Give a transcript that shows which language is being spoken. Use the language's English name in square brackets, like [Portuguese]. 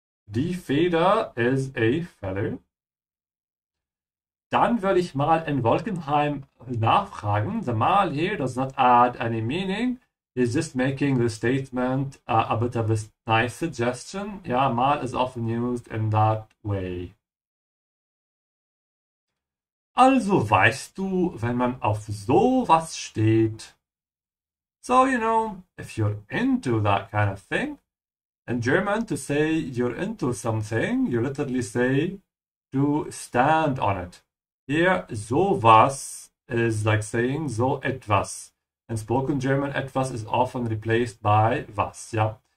[English] Die Feder is a feather. [German] Dann würde ich mal in Wolkenheim nachfragen. [English] The mal here does not add any meaning. It's just making the statement a bit of a nice suggestion. Yeah, mal is often used in that way. [German] Also weißt du, wenn man auf sowas steht. [English] So, you know, if you're into that kind of thing. In German, to say you're into something, you literally say to stand on it. Here, sowas is like saying so etwas. In spoken German, etwas is often replaced by was, yeah?